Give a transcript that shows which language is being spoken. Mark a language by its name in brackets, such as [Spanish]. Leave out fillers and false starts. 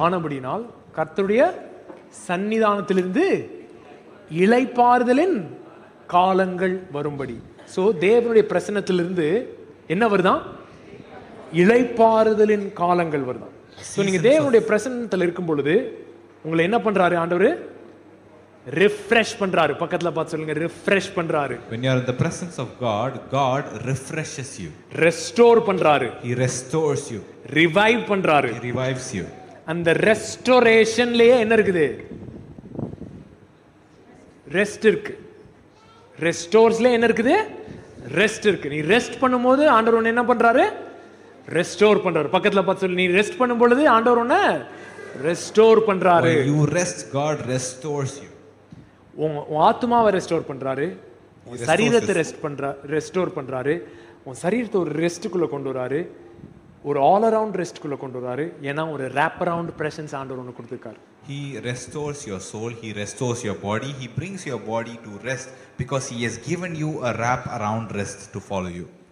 [Tamil] ஆனபடியினால் கர்த்தருடைய சன்னிதானத்திலிருந்து இளைப்பாறுதலின் காலங்கள் வரும்படி. ஸோ தேவனுடைய பிரசன்னத்திலிருந்து என்ன வருதான்? இளைப்பாறுதலின் காலங்கள் வருதான். ஸோ நீங்கள் தேவனுடைய பிரசன்னத்தில் இருக்கும் பொழுது உங்களை என்ன பண்றாரு ஆண்டவர்? Refresh பண்றாரு. பக்கத்துல பார்த்து சொல்லுங்க, refresh பண்றாரு. [English] When you are in the presence of God, God refreshes you. [Tamil] Restore பண்றாரு. [English] He restores you. [Tamil] Revive பண்றாரு. [English] He revives you. [Tamil] அந்த restorationலயே என்ன இருக்குது? Rest இருக்கு. Restoresலயே என்ன இருக்குது? Rest இருக்கு. நீ rest பண்ணும்போது ஆண்டவர் உன்ன என்ன பண்றாரு? Restore பண்றாரு. பக்கத்துல பார்த்து சொல்லு, நீ rest பண்ணும் பொழுது ஆண்டவர் உன்ன restore பண்றாரு. [English] When you rest, God restores you. [Tamil] உன் ஆத்மாவை ரெஸ்டோர் பண்றாரு, உன் சரீரத்தை ரெஸ்டோர் பண்றாரு, உன் சரீரத்தை ஒரு ரெஸ்ட்டுக்குள்ள கொண்டு வராரு, ஒரு ஆல் அரவுண்ட் ரெஸ்ட்டுக்குள்ள கொண்டு வராரு. ஏன்னா ஒரு ராப் அரவுண்ட் பிரசன்ஸ் ஆண்டவர் ஒன்று கொடுத்துருக்காரு. [English] He restores your soul, he restores your body, he brings your body to rest because he has given you a wrap around rest to follow you.